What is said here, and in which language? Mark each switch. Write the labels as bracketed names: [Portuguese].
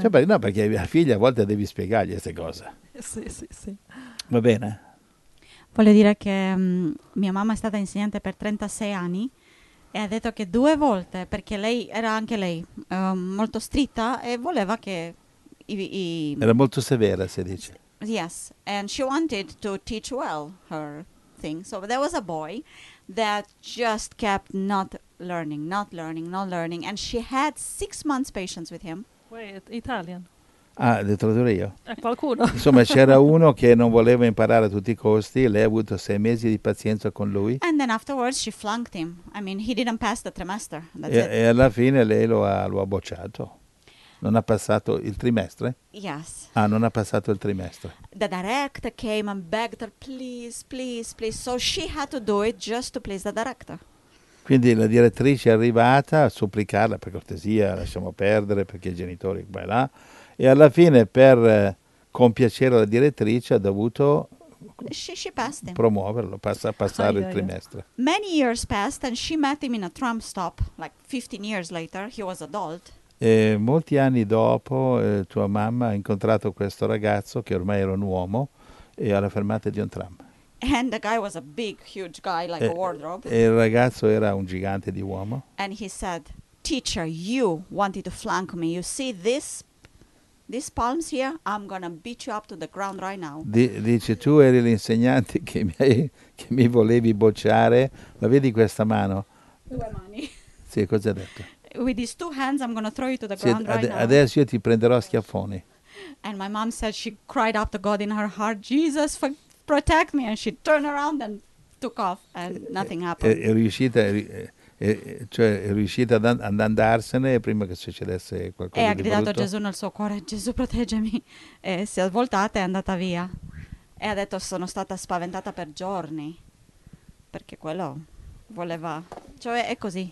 [Italian] Cioè, no, perché la figlia a volte devi spiegargli queste cose. Sì, sì, sì. Va bene? Voglio dire che mia mamma è stata insegnante per 36 anni e ha detto che due volte, perché lei era anche lei molto stritta e voleva che... Era molto severa, si dice. [English] Yes, and she wanted to teach well her thing. So there was a boy that just kept not learning. And she had 6 months patience with him. Wait, Italian. [Italian] Ah, le tradurre io? Qualcuno. Insomma, c'era uno che non voleva imparare a tutti i costi. Lei ha avuto 6 mesi di pazienza con lui. [English] And then afterwards she flunked him. I mean, he didn't pass the trimester. [Italian] E alla fine lei lo ha bocciato. Non ha passato il trimestre? [English] Yes. [Italian] Ah, non ha passato il trimestre. [English] The director came and begged her, please, please, please. So she had to do it just to please the director. [Italian] Quindi la direttrice è arrivata a supplicarla, per cortesia, lasciamo perdere, perché i genitori qua e là. E alla fine, per compiacere la direttrice, ha dovuto... [English] She passed him. [Italian] Promuoverlo, passare il trimestre. [English] Many years passed and she met him in a tram stop, like 15 years later, he was adult. [Italian] E molti anni dopo tua mamma ha incontrato questo ragazzo che ormai era un uomo e alla fermata di un tram. [English] And the guy was a big, huge guy, like a wardrobe. [Italian] E il ragazzo era un gigante di uomo. [English] And he said, teacher, you wanted to flank me. You see these palms here? I'm gonna beat you up to the ground right now. [Italian] Dice, tu eri l'insegnante che mi volevi bocciare. Ma vedi questa mano? Due mani. Sì, cosa ha detto? [English] With these two hands, I'm going to throw you to the ground right now. [Italian] Adesso io ti prenderò a schiaffoni. [English] And my mom said she cried out to God in her heart, Jesus, protect me. And she turned around and took off and nothing happened. [Italian] È riuscita ad andarsene prima che succedesse qualcosa di brutto. E ha gridato a Gesù nel suo cuore, Gesù, proteggimi. E si è voltata e è andata via. E ha detto, sono stata spaventata per giorni. Perché quello voleva... Cioè, è così.